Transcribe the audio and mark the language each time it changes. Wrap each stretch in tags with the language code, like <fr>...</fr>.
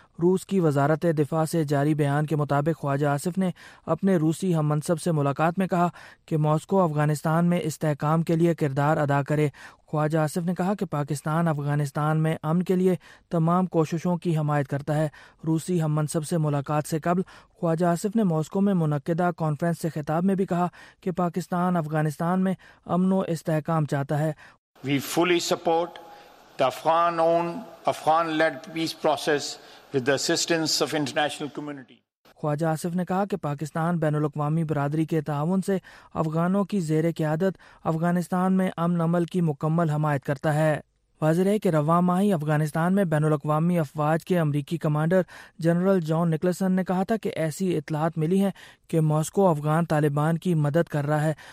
<ur>روس کی وزارت دفاع سے جاری بیان کے مطابق خواجہ آصف نے اپنے روسی ہم منصب سے ملاقات میں کہا کہ ماسکو افغانستان میں استحکام کے لیے کردار ادا کرے. خواجہ آصف نے کہا کہ پاکستان افغانستان میں امن کے لیے تمام کوششوں کی حمایت کرتا ہے. روسی ہم منصب سے ملاقات سے قبل خواجہ آصف نے ماسکو میں منعقدہ کانفرنس سے خطاب میں بھی کہا کہ پاکستان افغانستان میں امن و استحکام چاہتا ہے.</ur> <en>We fully support the Afghan-owned, Afghan-led peace process with the assistance of international community.</en> <ur>خواجہ آصف نے کہا کہ پاکستان بین الاقوامی برادری کے تعاون سے افغانوں کی زیر قیادت افغانستان میں امن عمل کی مکمل حمایت کرتا ہے. واضح ہے کہ رواں ماہ افغانستان میں بین الاقوامی افواج کے امریکی کمانڈر جنرل جان نکلسن نے کہا تھا کہ ایسی اطلاعات ملی ہیں کہ ماسکو افغان طالبان کی مدد کر رہا ہے.</ur>